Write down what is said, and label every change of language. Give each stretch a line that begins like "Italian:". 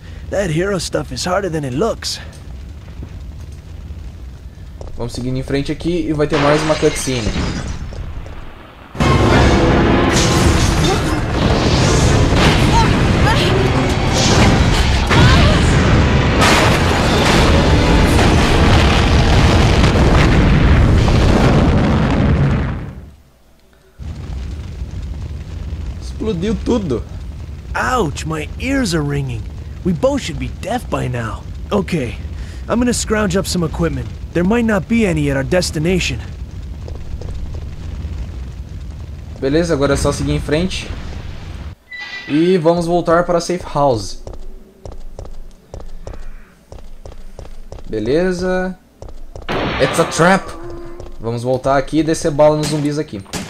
English: That hero stuff is harder than it looks.
Portuguese: Vamos seguindo em frente aqui e vai ter mais uma cutscene. Explodiu tudo.
English: Ouch, my ears are ringing. We both should be deaf by now. Okay, I'm gonna scrounge up some equipment. There might not be any at our destination.
Portuguese: Beleza, agora é só seguir em frente. E vamos voltar para a safe house. Beleza.
English: It's a trap!
Portuguese: Vamos voltar aqui e descer bala nos zumbis aqui.